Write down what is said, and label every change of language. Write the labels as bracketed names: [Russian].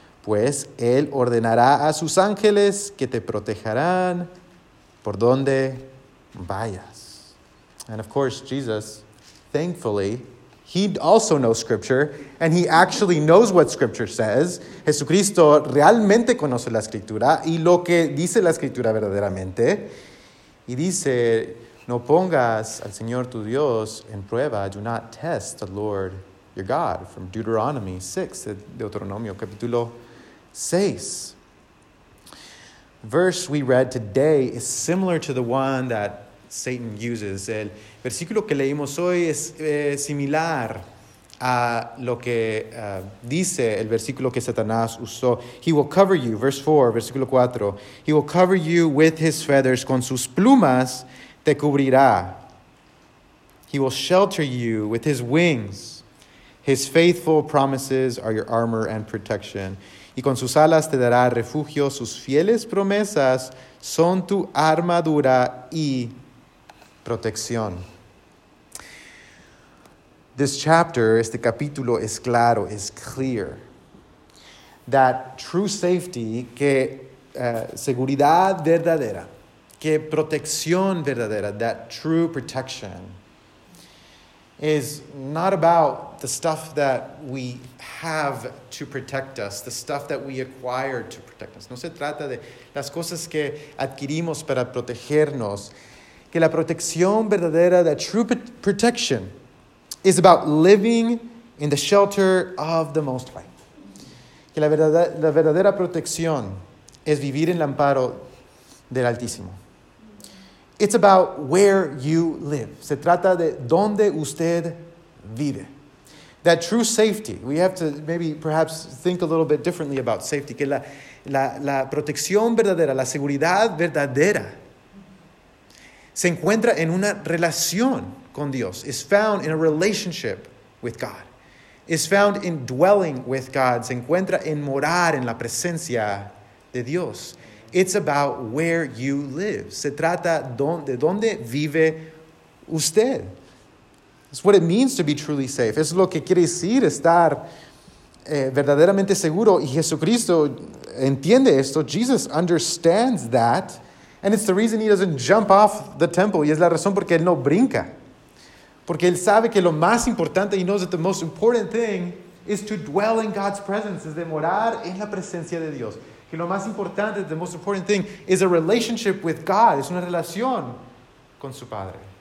[Spanish] Pues él ordenará a sus ángeles que te protegerán por donde vayas. [English] And of course, Jesus, thankfully, he also knows scripture, and he actually knows what scripture says. [Spanish] Jesucristo realmente conoce la escritura y lo que dice la escritura verdaderamente. Y dice, no pongas al Señor tu Dios en prueba. [English] Do not test the Lord your God. From Deuteronomy 6, [Spanish] Deuteronomio, capítulo 6. [English] The verse we read today is similar to the one that Satan uses. [Spanish] El versículo que leímos hoy es similar a lo que dice el versículo que Satanás usó. [English] He will cover you, verse 4, [Spanish] versículo 4. [English] He will cover you with his feathers, [Spanish] con sus plumas, te cubrirá. [English] He will shelter you with his wings. His faithful promises are your armor and protection. [Spanish] Y con sus alas te dará refugio. Sus fieles promesas son tu armadura y protección. [English] This chapter, [Spanish] este capítulo es claro, [English] is clear. That true safety, [Spanish] que seguridad verdadera, que protección verdadera, [English] that true protection, is not about the stuff that we have to protect us, the stuff that we acquire to protect us. [Spanish] No se trata de las cosas que adquirimos para protegernos. Que la protección verdadera, [English] that true protection, is about living in the shelter of the Most High. [Spanish] Que la verdadera protección es vivir en el amparo del Altísimo. [English] It's about where you live. [Spanish] Se trata de donde usted vive. [English] That true safety. We have to maybe perhaps think a little bit differently about safety. [Spanish] Que la protección verdadera, la seguridad verdadera, se encuentra en una relación con Dios. [English] Is found in a relationship with God. Is found in dwelling with God. [Spanish] Se encuentra en morar en la presencia de Dios. [English] It's about where you live. Se trata de dónde vive usted. It's what it means to be truly safe. [Spanish] Es lo que quiere decir estar verdaderamente seguro. Y Jesucristo entiende esto. [English] Jesus understands that. And it's the reason he doesn't jump off the temple. [Spanish] Y es la razón porque él no brinca. Porque él sabe que lo más importante, [English] he knows that the most important thing is to dwell in God's presence, [Spanish] es de morar en la presencia de Dios. Que lo más importante, [English] the most important thing, is a relationship with God, [Spanish] es una relación con su Padre.